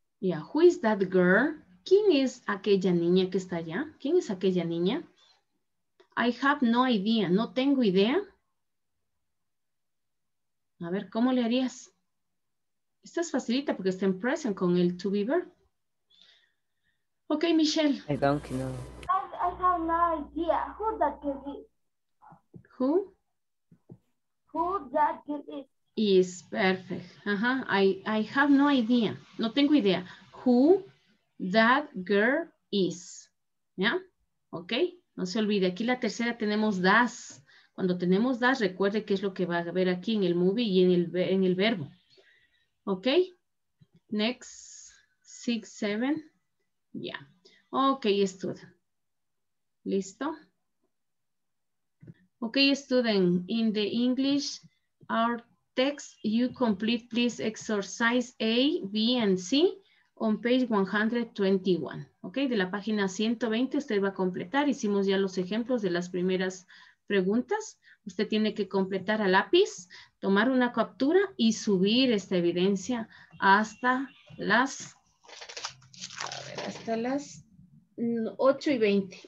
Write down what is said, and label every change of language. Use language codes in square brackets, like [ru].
[en] Yeah, who is that girl? [es] ¿Quién es aquella niña que está allá? ¿Quién es aquella niña? [en] I have no idea, [es] no tengo idea. A ver, ¿cómo le harías? Esta es facilita porque está en present con el to be verb. [en] Ok, Michelle. I don't know. I have no idea who that girl is. Who? Who that girl is. Is, perfect. Uh-huh. I have no idea. [es] No tengo idea. [en] Who that girl is. ¿Ya? Yeah? [es] Ok, no se olvide. Aquí la tercera tenemos das. Cuando tenemos das, recuerde qué es lo que va a ver aquí en el movie y en el verbo. [en] ¿Ok? Next. 6, 7. Ya. Yeah. Ok, student. ¿Listo? Ok, student. In the English, our text, you complete, please, exercise A, B, and C on page 121, [es] ¿ok? De la página 120 usted va a completar. Hicimos ya los ejemplos de las primeras preguntas. Usted tiene que completar a lápiz, tomar una captura y subir esta evidencia hasta las, a ver, hasta las 8 y 20.